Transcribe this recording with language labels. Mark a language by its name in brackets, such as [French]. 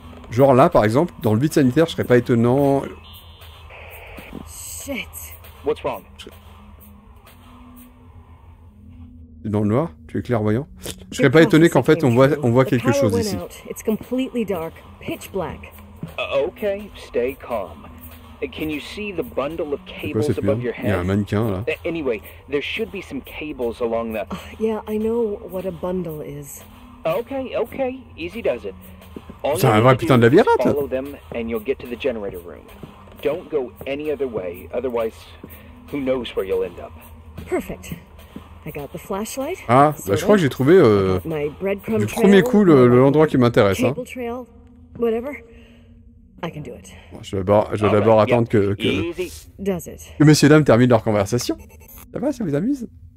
[French] Genre là, par exemple, dans le vide sanitaire, je serais pas étonnant. [English] Shit. What's wrong? [French] T'es dans le noir? Tu es clairvoyant? Je serais pas étonné qu'en fait on voit quelque chose ici. [English] It's completely dark, pitch black. Okay, stay calm. Can you see the bundle of cables above your head? [French] Il y a un mannequin là. [English] Anyway, there should be some cables along the. Yeah, I know what a bundle is. Okay, okay, easy does it. [French] C'est un vrai putain de labyrinthe! [English] Follow them and you'll get to the generator room. Don't go any other way, otherwise, who knows where you'll end up. Perfect. I got the flashlight. [French] Ah, bah je crois que j'ai trouvé du premier coup l'endroit qui m'intéresse. Hein. [English] Cable trail, whatever. I can do it. [French] Bon, je vais d'abord attendre que [English] does it. [French] Que messieurs dames terminent leur conversation. Ça va, ça vous amuse?